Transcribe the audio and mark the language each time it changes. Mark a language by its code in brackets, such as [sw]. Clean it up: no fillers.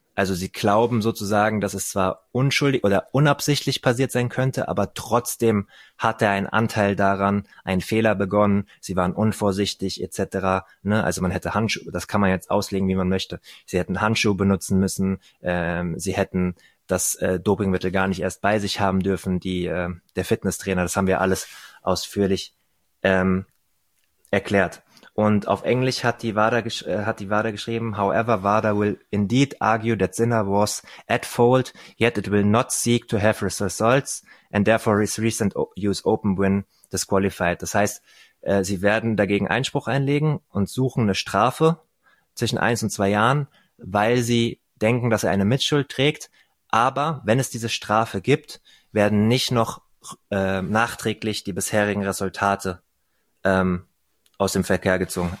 [de] Also sie glauben sozusagen, dass es zwar unschuldig oder unabsichtlich passiert sein könnte, aber trotzdem hat er einen Anteil daran, einen Fehler begonnen, sie waren unvorsichtig etc. Ne? Also man hätte Handschuhe, das kann man jetzt auslegen, wie man möchte. Sie hätten Handschuhe benutzen müssen, sie hätten das Dopingmittel gar nicht erst bei sich haben dürfen, der Fitnesstrainer, das haben wir alles ausführlich erklärt. Und auf Englisch hat die WADA geschrieben, [en] however, WADA will indeed argue that Sinner was at fault, yet it will not seek to have results and therefore his recent US Open win disqualified. [de] Das heißt, sie werden dagegen Einspruch einlegen und suchen eine Strafe zwischen 1 und 2 Jahren, weil sie denken, dass er eine Mitschuld trägt. Aber wenn es diese Strafe gibt, werden nicht noch nachträglich die bisherigen Resultate aus dem Verkehr gezogen.